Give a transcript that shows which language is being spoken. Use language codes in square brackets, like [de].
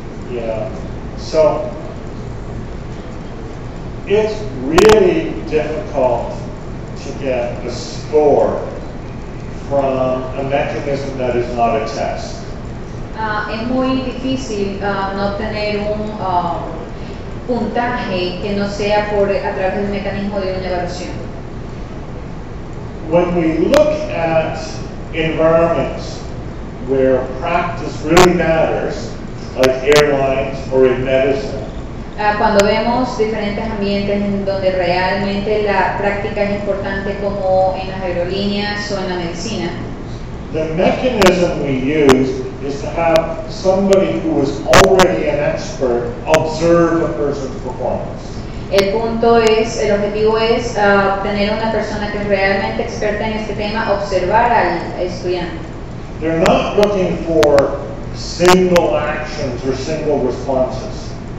[en] Yeah, so it's really difficult to get a score from a mechanism that is not a test. [es] Es muy difícil no tener un puntaje que no sea a través del mecanismo de una evaluación. [en] When we look at environments where practice really matters, like airlines or in medicine, [es] Cuando vemos diferentes ambientes en donde realmente la práctica es importante, como en las aerolíneas o en la medicina. [en] The mechanism we use is to have somebody who is already an expert observe a person's performance. [es] El punto es, el objetivo es tener una persona que es realmente experta en este tema, observar al estudiante. [en] They're not looking for single actions or single responses.